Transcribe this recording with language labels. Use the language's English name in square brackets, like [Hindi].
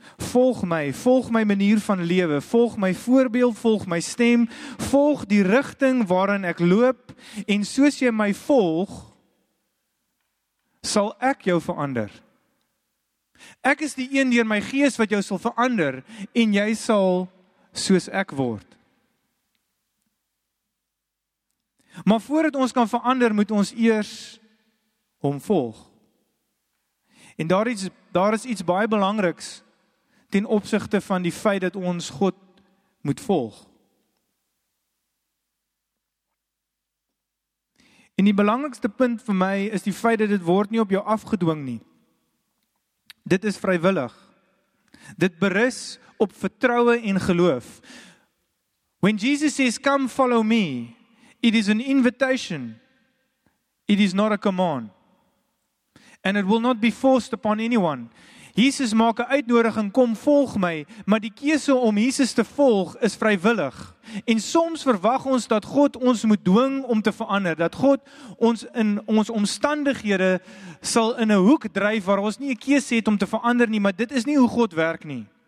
[Afrikaans] Volg my manier van lewe, volg my voorbeeld, volg my stem, volg die rigting waarin ek loop, en soos jy my volg, sal ek jou verander. Ek is die een deur my gees wat jou sal verander, en jy sal soos ek word. Maar voordat ons kan verander, moet ons eers hom volg. En daar is iets baie belangriks ten opsigte van die feit dat ons God moet volg. En die belangrikste punt vir my is die feit dat dit word nie op jou afgedwing nie. Dit is vrywillig. Dit berus op vertroue en geloof. [English] When Jesus says, come follow me, it is an invitation. It is not a command. And it will not be forced upon anyone. [Afrikaans] Jesus maak 'n uitnodiging, kom volg my, maar die keuse om Jesus te volg is vrywillig. En soms verwag ons dat God ons moet dwing om te verander, dat God ons in ons omstandighede sal in 'n hoek dryf waar ons nie 'n keuse het om te verander nie, maar dit is nie hoe God werk nie.